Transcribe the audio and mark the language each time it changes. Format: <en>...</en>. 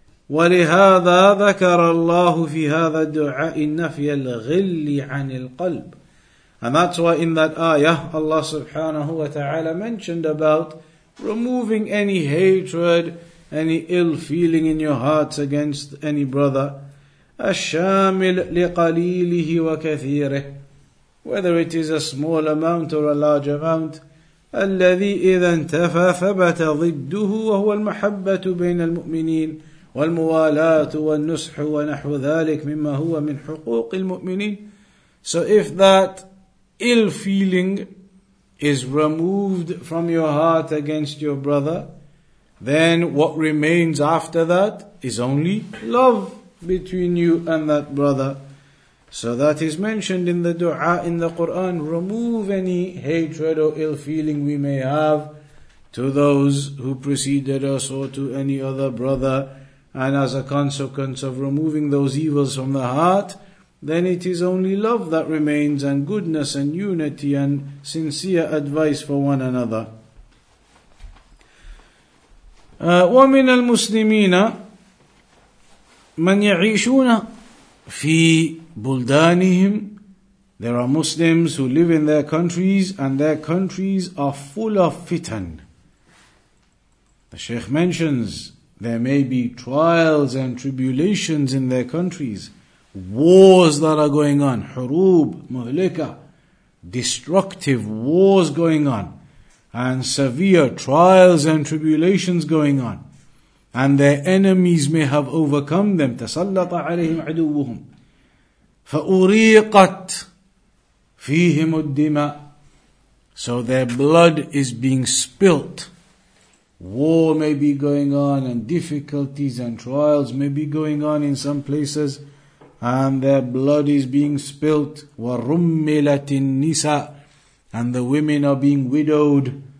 <ar>وَلِهَذَا ذَكَرَ اللَّهُ فِي هَذَا الدُّعَاءِ النَّفْيَ الْغِلِّ عَنِ الْقَلْبِ.</ar> <en>And that's why in that ayah, Allah subhanahu wa ta'ala mentioned about removing any hatred, any ill feeling in your hearts against any brother.</en> <ar>الشَّامِلْ لِقَلِيلِهِ وَكَثِيرِهِ.</ar> <en>Whether it is a small amount or a large amount,</en> <ar>الذي إذا انتفى ثبت ضده وهو المحبة بين المؤمنين والموالاة والنصح ونحو ذلك مما هو من حقوق المؤمنين.</ar> <en>So if that ill feeling is removed from your heart against your brother, then what remains after that is only love between you and that brother. So that is mentioned in the dua in the Quran, remove any hatred or ill feeling we may have to those who preceded us or to any other brother. And as a consequence of removing those evils from the heart, then it is only love that remains, and goodness and unity and sincere advice for one another.</en> <ar>ومن المسلمين من يعيشون في بلدانهم.</ar> <en>There are Muslims who live in their countries, and their countries are full of fitan. The Sheikh mentions there may be trials and tribulations in their countries, wars that are going on,</en> <ar>حروب, مهلكه,</ar> <en>destructive wars going on, and severe trials and tribulations going on, and their enemies may have overcome them.</en> <ar>تسلط عليهم عدوهم فأريقت فيهم الدماء.</ar> <en>So their blood is being spilt. War may be going on, and difficulties and trials may be going on in some places, and their blood is being spilt.</en> <ar>ورملت النساء.</ar> <en>And the women are being widowed.</en>